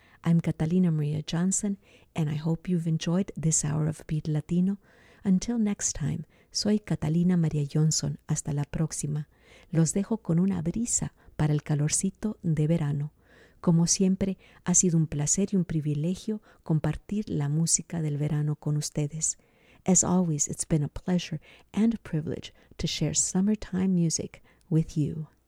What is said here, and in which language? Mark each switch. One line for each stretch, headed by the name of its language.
English: I'm Catalina Maria Johnson, and I hope you've enjoyed this hour of Beat Latino. Until next time,
Spanish: soy
English: Catalina Maria Johnson.
Spanish: Hasta la próxima. Los dejo con una brisa para el calorcito de verano. Como siempre, ha sido un placer y un privilegio compartir la música del verano con ustedes.
English: As always, it's been a pleasure and a privilege to share summertime music with you.